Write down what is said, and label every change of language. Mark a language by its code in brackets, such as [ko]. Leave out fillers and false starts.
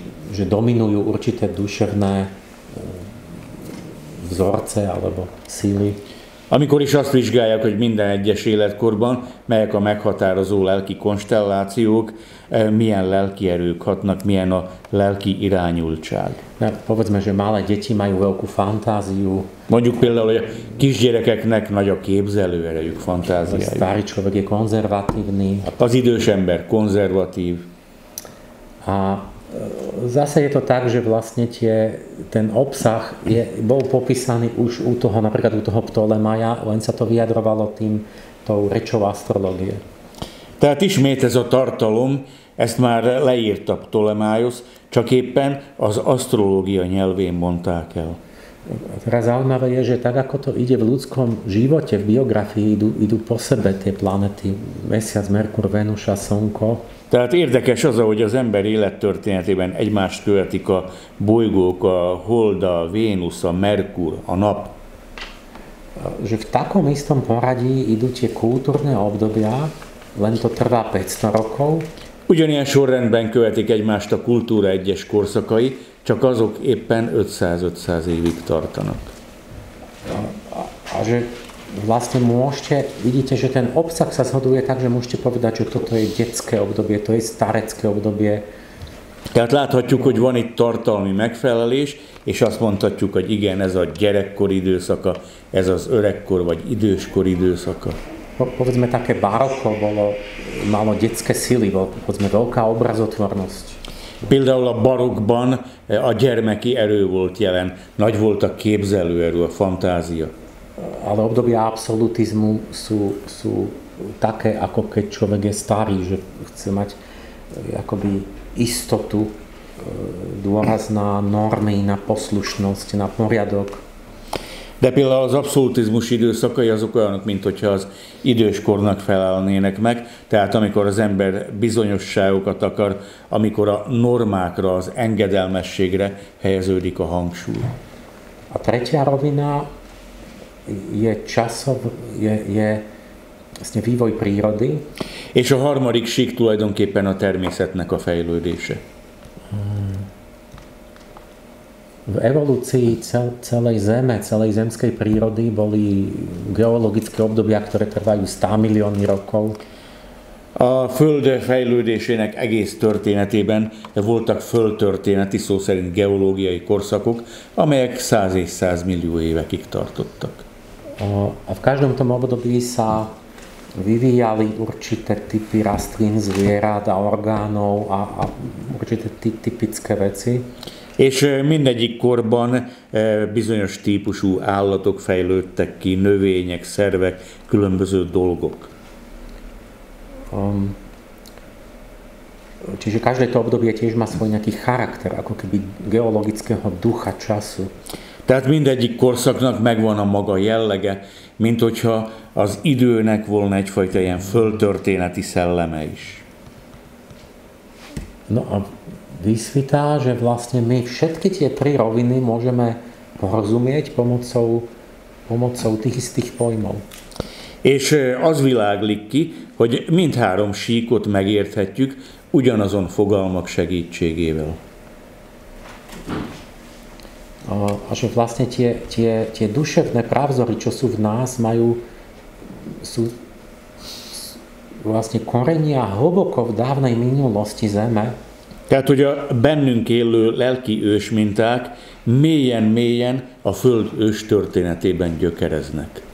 [sk] Že dominujú určité duševné vzorce alebo síly. [hu] Amikor is azt vizsgálják, hogy minden egyes életkorban, melyek a meghatározó lelki konstellációk, milyen lelki erők hatnak, milyen a lelki irányultság. [sk] Povedzme, že malé deti majú veľkú fantáziu. [hu] Mondjuk például, hogy a kisgyerekeknek nagy a képzelő erejük, fantáziájuk. [sk] A starý človek je konzervatívny. [hu] Az idős ember konzervatív. [sk] A zase je to tak, že vlastne tie, ten obsah je, bol popísaný už u toho, napríklad u toho Ptolemaja, len sa to vyjadrovalo tým, tou rečou astrológie. [hu] Tehát ismét ez a tartalom, ezt már leírta Ptolemaios, csak éppen az astrológia nyelvén mondták el. [sk] Teraz zaujímavé je, že tak ako to ide v ľudskom živote, v biografii, idú po sebe tie planety, Mesiac, Merkur, Venus a Slnko. [hu] Tehát érdekes az, hogy az ember élettörténetében egymást követik a bolygók, a Hold, a Vénusz, a Merkur, a Nap. [sk] Že v takom istom poradí idú tie kultúrne obdobia, len to trvá 500 rokov. [hu] Ugyanilyen sorrendben követik egymást a kultúra egyes korszakai, csak azok éppen 500-500 évig tartanak. [sk] A že vlastne môžete, vidíte, že ten obsah sa zhoduje tak, že môžete povedať, že toto je detské obdobie, to je starecké obdobie. [hu] Tehát láthatjuk, hogy van itt tartalmi megfelelés, és azt mondhatjuk, hogy igen, ez a gyerekkor időszaka, ez az öregkor vagy időskor időszaka. [sk] Povedzme, také barokko bolo, malo detské sily, povedzme, veľká obrazotvornosť. [hu] Például a barokkban a gyermeki erő volt jelen, nagy volt a képzelő erő, a fantázia. [sk] Ale obdobia absolutizmu sú také, ako keď človek je starý, že chce mať akoby istotu, dôraz na normy, na poslušnosť, na poriadok. [hu] De például az abszolutizmus időszakai azok olyanok, mint hogyha az időskornak felelnének meg, tehát amikor az ember bizonyosságokat akar, amikor a normákra, az engedelmességre helyeződik a hangsúly. [sk] A tretia rovina je časov, je vlastne vývoj prírody. [hu] És a harmadik sík tulajdonképpen a természetnek a fejlődése. [sk] V evolúcii celej Zeme, celej zemskej prírody boli geologické obdobia, ktoré trvajú 100 milióny rokov. [hu] A Föld fejlődésének egész történetében voltak földtörténeti, szó szerint geológiai korszakok, amelyek 100 és 100 millió évekig tartottak. [sk] A v každom tom období sa vyvíjali určité typy rastlín, zvierat a orgánov a určité typické veci. [hu] És mindegyik korban bizonyos típusú állatok fejlődtek ki, növények, szervek, különböző dolgok. [sk] Čiže každé to obdobie tiež má svoj nejaký charakter, ako keby geologického ducha času. [hu] Tehát mindegyik korszaknak megvan a maga jellege, mint hogyha az időnek volna egyfajta ilyen földtörténeti szelleme is. [sk] No, a vysvitá, že vlastne my všetky tie tri roviny môžeme porozumieť pomocou tých istých pojmov. [hu] És az világlik ki, hogy mindhárom síkot megérthetjük ugyanazon fogalmak segítségével. [sk] A že vlastne tie duševné pravzory, čo sú v nás, majú sú vlastne korenia hlboko v dávnej minulosti Zeme. [hu] Tehát, hogy a bennünk élő lelki ősminták mélyen-mélyen a Föld őstörténetében gyökereznek.